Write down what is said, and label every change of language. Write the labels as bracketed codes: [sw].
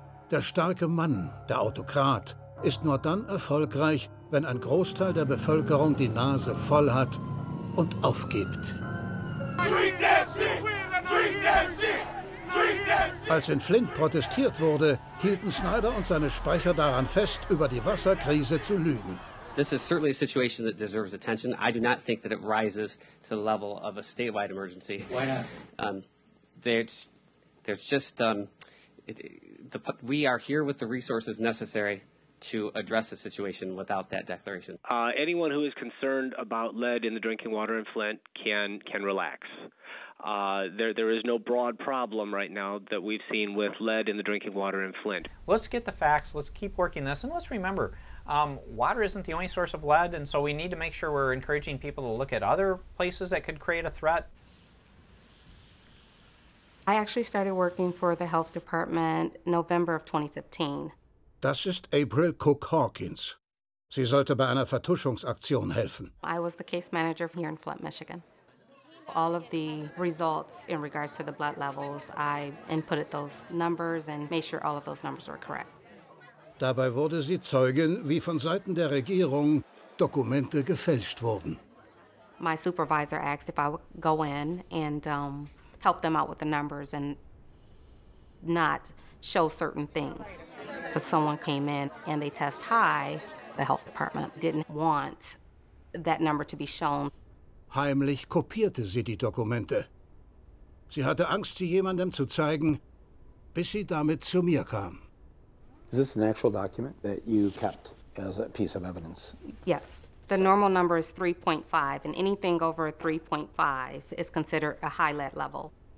[de] Der starke Mann, der Autokrat, ist nur dann erfolgreich, wenn ein Großteil der Bevölkerung die Nase voll hat und aufgibt. Als in Flint protestiert wurde, hielten Snyder und seine Sprecher daran fest, über die Wasserkrise zu lügen. [en] This is certainly a situation that deserves attention. I do not think that it rises to the level of a statewide emergency. Why not? We are here with the resources necessary to address the situation without that declaration. Anyone who is concerned about lead in the drinking water in Flint can relax. There is no broad problem right now that we've seen with lead in the drinking water in Flint. Let's get the facts, let's keep working this, and let's remember, water isn't the only source of lead, and so we need to make sure we're encouraging people to look at other places that could create a threat. I actually started working for the health department November of 2015. [de] Das ist April Cook Hawkins. Sie sollte bei einer Vertuschungsaktion helfen. [en] I was the case manager here in Flint, Michigan. All of the results in regards to the blood levels, I inputted those numbers and made sure all of those numbers were correct. [de] Dabei wurde sie Zeugin, wie von Seiten der Regierung Dokumente gefälscht wurden. [en] My supervisor asked if I would go in and help them out with the numbers and not show certain things. But someone came in and they test high. The health department didn't want that number to be shown. [de] Heimlich kopierte sie die Dokumente. Sie hatte Angst, sie jemandem zu zeigen, bis sie damit zu mir kam. [en] Is this an actual document that you kept as a piece of evidence? Yes. The normal number is 3.5, and anything over 3.5 is considered a high lead level.